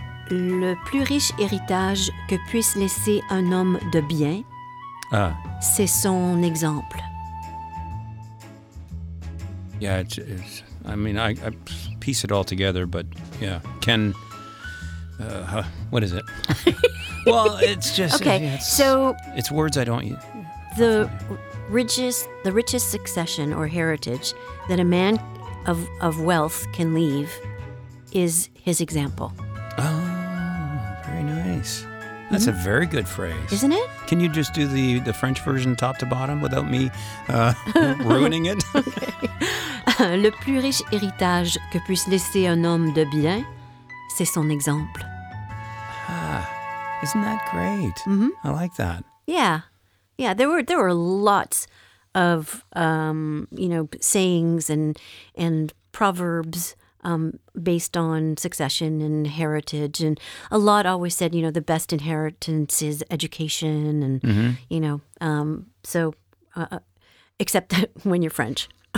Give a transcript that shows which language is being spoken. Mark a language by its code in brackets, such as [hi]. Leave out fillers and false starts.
[fr] Le plus riche héritage que puisse laisser un homme de bien, c'est son exemple. [en] Yeah, it's, I mean, I piece it all together, but yeah, Ken, what is it? Well, it's just... Okay, it's words I don't use. The richest succession or heritage that a man of wealth can leave is his example. Oh. That's a very good phrase. Isn't it? Can you just do the French version top to bottom without me ruining it? Okay. [fr] Le plus riche héritage que puisse laisser un homme de bien, c'est son exemple. [en] Ah, isn't that great? Mm-hmm. I like that. Yeah. Yeah, there were lots of, sayings and proverbs based on succession and heritage, and a lot always said, the best inheritance is education, and except that when you're French.